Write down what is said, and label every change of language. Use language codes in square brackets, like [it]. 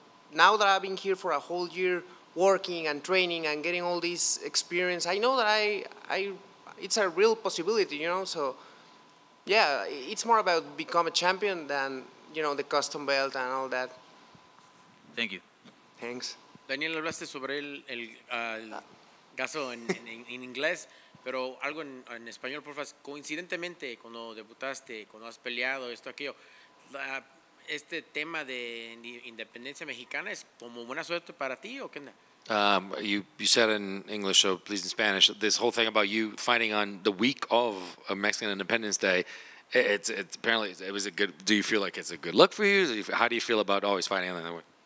[en] But now that I've been here for a whole year working and training and getting all this experience, I know that I it's a real possibility, you know, so... Yeah, it's more about become a champion than, you know, the custom belt and all that. Thank you. Thanks. [es] Daniel, hablaste sobre el caso en inglés, pero algo en español, por favor. Coincidentemente, cuando debutaste, cuando has peleado, esto, aquello, este tema de independencia mexicana es como buena suerte para ti o qué onda? [en] You said in English, so please in Spanish, this whole thing about you fighting on the week of a Mexican Independence Day, it's apparently, it was a good, do you feel like it's a good look for you? How do you feel about always fighting on that week?